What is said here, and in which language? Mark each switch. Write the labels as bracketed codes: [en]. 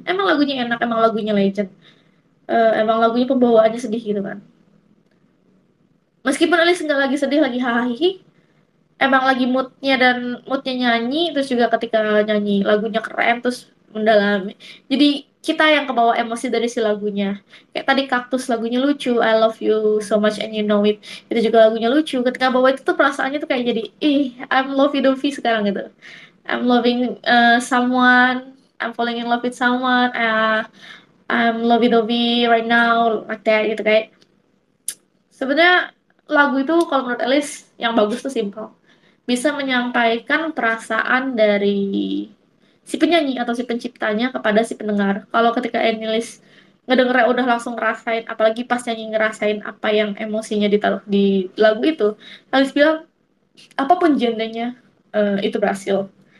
[id] Emang lagunya enak, emang lagunya legend, emang lagunya pembawaannya sedih gitu kan. Meskipun Alice nggak lagi sedih, lagi hahihi, emang lagi moodnya dan moodnya nyanyi, terus juga ketika nyanyi lagunya keren, terus mendalami. Jadi kita yang kebawa emosi dari si lagunya. Kayak tadi Kaktus lagunya lucu, [en] I love you so much and you know it. [id] Itu juga lagunya lucu. Ketika bawa itu tuh perasaannya tuh kayak jadi, ih, [en] I'm loving Dovi [id] sekarang gitu. [en] I'm loving someone, I'm falling in love with someone, I'm loving Dovi right now, like that [id] gitu kayak. Sebenarnya lagu itu kalau menurut Alice yang bagus tuh simpel, bisa menyampaikan perasaan dari si penyanyi atau si penciptanya kepada si pendengar. Kalau ketika Alice ngedengernya udah langsung ngerasain, apalagi pas nyanyi ngerasain apa yang emosinya ditaruh di lagu itu, Alice bilang apapun genrenya itu berhasil.